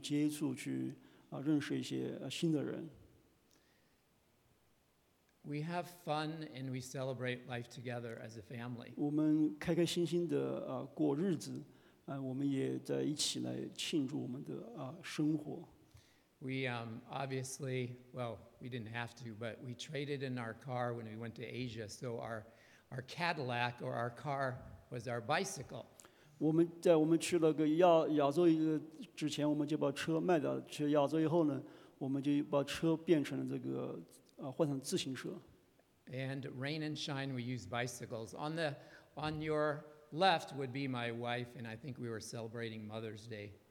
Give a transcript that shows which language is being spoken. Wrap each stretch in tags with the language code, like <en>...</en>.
<zh>在亚洲，我们有很多机会去接触，去认识一些新的人。</zh> <en>We have fun and we celebrate life together as a family.</en> <zh>我们开开心心的过日子。我们也在一起来庆祝我们的生活。</zh> <en>We obviously, well, we didn't have to, but we traded in our car when we went to Asia, so our Cadillac or our car was our bicycle.</en> <zh>我们在我们去了个亚洲之前，我们就把车卖掉，去亚洲以后呢，我们就把车变成了这个换成自行车。</zh> <en>And rain and shine, we use bicycles. On your left would be my wife, and I think we were celebrating Mother's Day.</en>